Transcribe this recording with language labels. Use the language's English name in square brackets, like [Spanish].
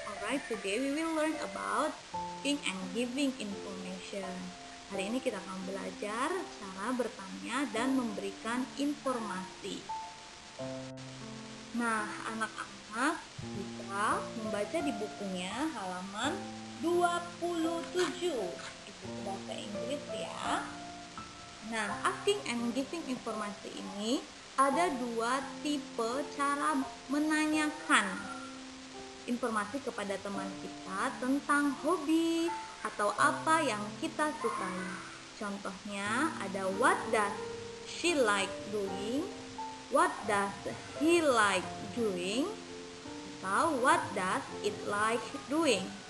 [English] Alright, today we will learn about asking and giving information. [Indonesian] Hari ini kita akan belajar cara bertanya dan memberikan informasi. Nah, anak-anak, kita membaca di bukunya halaman 27. Itu bahasa Inggris ya. Nah, [English] asking and giving [Indonesian] informasi ini ada dua tipe cara menanyakan informasi kepada teman kita tentang hobi atau apa yang kita sukai. Contohnya ada [English] what does she like doing, what does he like doing, [Indonesian] atau [English] what does it like doing.